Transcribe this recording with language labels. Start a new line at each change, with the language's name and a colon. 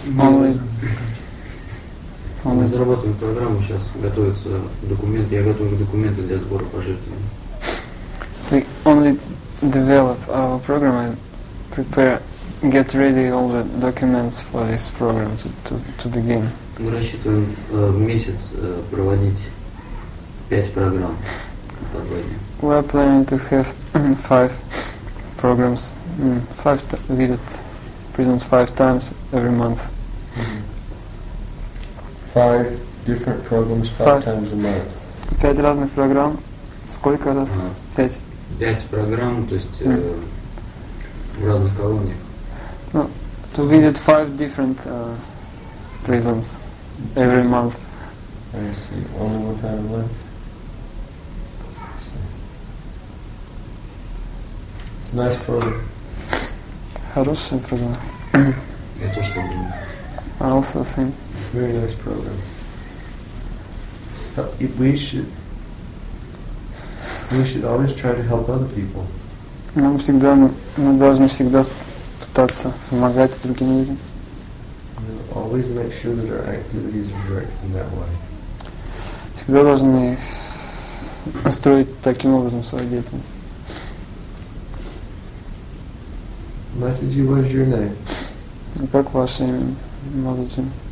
Russian: Мы разрабатываем программу, сейчас готовятся документы, я готовлю документы для сбора пожертвований.
English: We only develop our program and prepare, get ready all the documents for this program to begin.
Russian: Мы рассчитываем в месяц проводить 5 программ.
English: We are planning to have 5 programs, 5 visit prisons 5 times every month. Five different programs, five times a month.
Russian: 5 разных программ. Сколько раз? 5. 5 программ, то есть в разных колониях.
English: No, to visit 5 different prisons every month. I see. Only one time a month. It's a nice program.
Russian: Хорошая программа. Я тоже так думаю.
English: I also think. Very nice program. If we should. We should always try to help other people.
Russian: Нам всегда, мы должны всегда пытаться помогать другим людям.
English: Always make sure that our activities are directed in that way.
Russian: Всегда должны строить таким образом свою деятельность.
English: Матаджи, what is your name?
Russian: Как ваше имя, Матаджи?